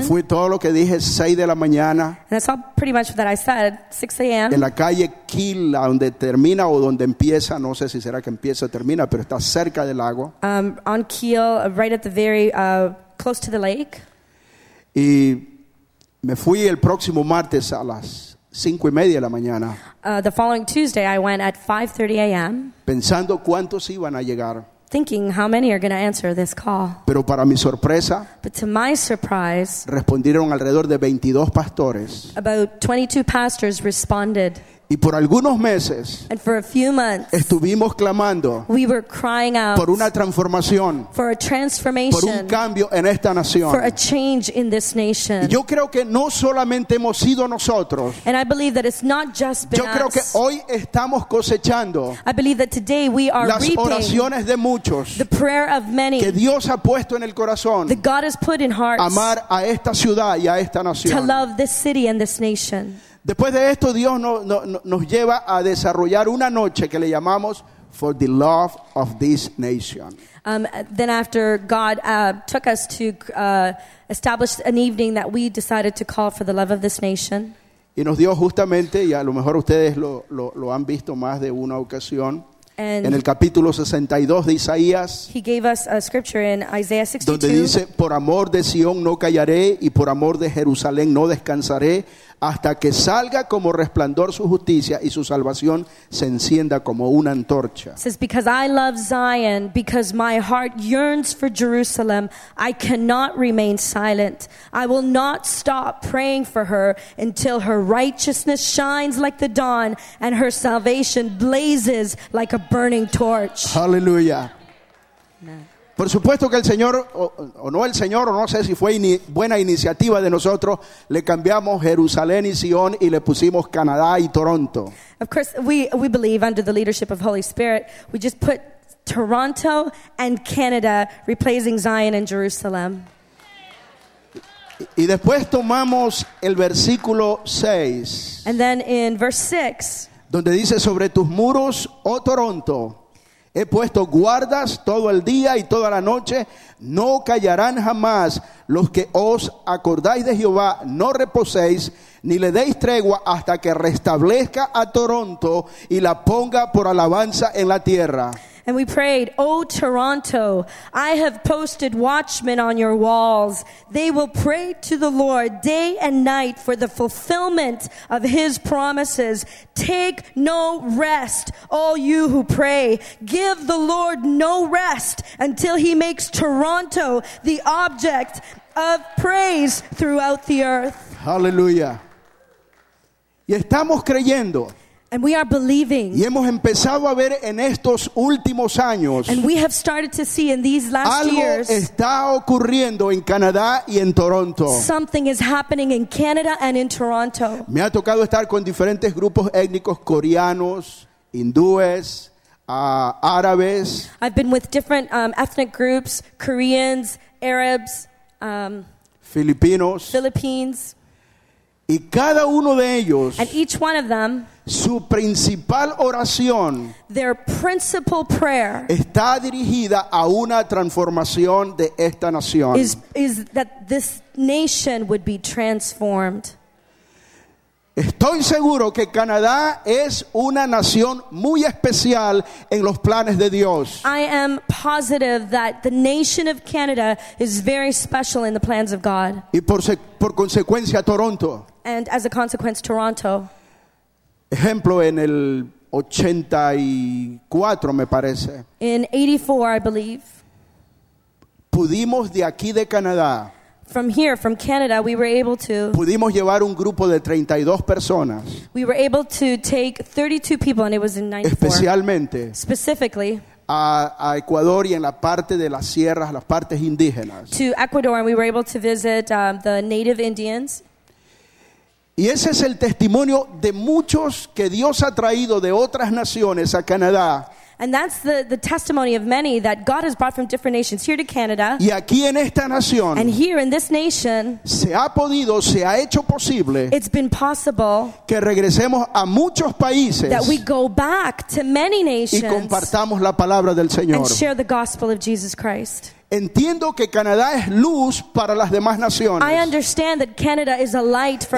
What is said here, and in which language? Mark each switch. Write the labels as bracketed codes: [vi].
[es] Y fue todo lo que dije, 6 de la mañana. [en] And that's all pretty much that I said, 6 a.m. [es] En la calle Kiel, donde termina o donde empieza, no sé si será que empieza o termina, pero está cerca del lago. [en] On Kiel, right at the very, close to the lake. [es] Y me fui el próximo martes a las 5 y media de la mañana. [en] The following Tuesday I went at 5:30 a.m. [es] pensando cuántos iban a llegar. [en] Thinking how many are going to answer this call. [es] Pero para mi sorpresa, [en] but to my surprise, [es] respondieron alrededor de 22 pastores. [en] About 22 pastors responded. [es] Y por algunos meses, [en] and for a few months, [es] estuvimos clamando, [en] we were crying out [es] por una transformación, [en] for a transformation, [es] por un cambio en esta nación, [en] for a change in this nation. [es] Y yo creo que no solamente hemos sido nosotros, [en] and I believe that it's not just been [es] yo creo [en] us. [es] Que hoy estamos cosechando, [en] I believe that today we are [es] las [en] reaping [es] oraciones de muchos, [en] the prayer of many, [es] que Dios ha puesto en el corazón, [en] that God has put in hearts, [es] amar a esta ciudad y a esta nación, [en] to love this city and this nation. [es] Después de esto, Dios nos lleva a desarrollar una noche que le llamamos For the Love of This Nation. [en] Then after God took us to establish an evening that we decided to call For the Love of This Nation. [es] Y nos dio justamente, y a lo mejor ustedes lo han visto más de una ocasión, [en] and [es] en el capítulo 62 de Isaías, [en] he gave us a scripture in Isaiah 62, [es] donde dice, por amor de Sion no callaré y por amor de Jerusalén no descansaré, hasta que salga como resplandor su justicia y su salvación se encienda como una antorcha. [en] It says, because I love Zion, because my heart yearns for Jerusalem, I cannot remain silent. I will not stop praying for her until her righteousness shines like the dawn and her salvation blazes like a burning torch. Hallelujah. [es] Por supuesto que el Señor, o no el Señor, o no sé si fue buena iniciativa de nosotros, le cambiamos Jerusalén y Sion y le pusimos Canadá y Toronto. [en] Of course, we believe under the leadership of Holy Spirit, we just put Toronto and Canada, replacing Zion and Jerusalem. [es] Y después tomamos el versículo 6. [en] And then in verse 6. [es] Donde dice, sobre tus muros, oh Toronto, he puesto guardas todo el día y toda la noche, no callarán jamás los que os acordáis de Jehová, no reposéis ni le deis tregua hasta que restablezca a Toronto y la ponga por alabanza en la tierra. [en] And we prayed, O Toronto, I have posted watchmen on your walls. They will pray to the Lord day and night for the fulfillment of his promises. Take no rest, all you who pray. Give the Lord no rest until he makes Toronto the object of praise throughout the earth. [es] Hallelujah. Y estamos creyendo. [en] And we are believing. [es] Y hemos empezado a ver en estos últimos años. [en] And we have started to see in these last [es] algo [en] years. [es] Algo está ocurriendo en Canadá y en Toronto. [en] Something is happening in Canada and in Toronto. [es] Me ha tocado estar con diferentes grupos étnicos, coreanos, hindúes, árabes. [en] I've been with different ethnic groups, Koreans, Arabs, [es] Filipinos. [en] Philippines. [es] Y cada uno de ellos, [en] and each one of them, [es] su principal oración, [en] their principal prayer, [es] está dirigida a una transformación de esta nación. [en] Is that this nation would be transformed. [es] Estoy seguro que Canadá es una nación muy especial en los planes de Dios. [en] I am positive that the nation of Canada is very special in the plans of God. [es] Y por consecuencia, Toronto. [en] And as a consequence, Toronto. [es] Ejemplo, en el 84, me parece. [en] In 84, I believe. [es] Pudimos de aquí de Canadá. [en] from here, from Canada, we were able to. [es] Pudimos llevar un grupo de 32 personas. [en] We were able to take 32 people, and it was in 94. [es] Especialmente. [en] Specifically. [es] A Ecuador y en la parte de las sierras, las partes indígenas. [en] To Ecuador, and we were able to visit the native Indians. [es] Y ese es el testimonio de muchos que Dios ha traído de otras naciones a Canadá. [en] And that's the testimony of many that God has brought from different nations here to Canada. [es] Y aquí en esta nación, [en] and here in this nation, [es] se ha podido, se ha hecho posible, [en] it's been possible [es] que regresemos a muchos países, [en] that we go back to many nations [es] y compartamos la palabra del Señor. [en] And share the gospel of Jesus Christ. [es] Entiendo que Canadá es luz para las demás naciones. [en] I understand that Canada is a light for